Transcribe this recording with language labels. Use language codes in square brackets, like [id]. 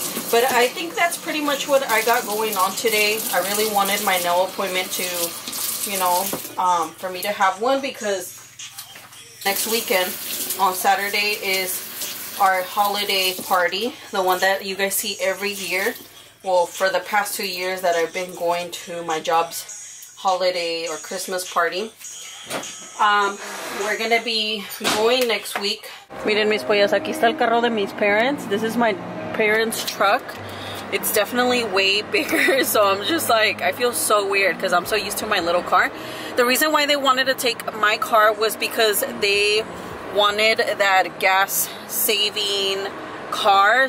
[en] But I think that's pretty much what I got going on today. I really wanted my nail appointment to, you know, for me to have one, because next weekend, on Saturday, is our holiday party, the one that you guys see every year. Well, for the past 2 years that I've been going to my job's holiday or Christmas party. We're going to be going next week. [es] Miren, mis pollas, aquí está el carro de mis parents. [en] This is my parents' truck. It's definitely way bigger, so I'm just like, I feel so weird because I'm so used to my little car. The reason why they wanted to take my car was because they wanted that gas-saving car.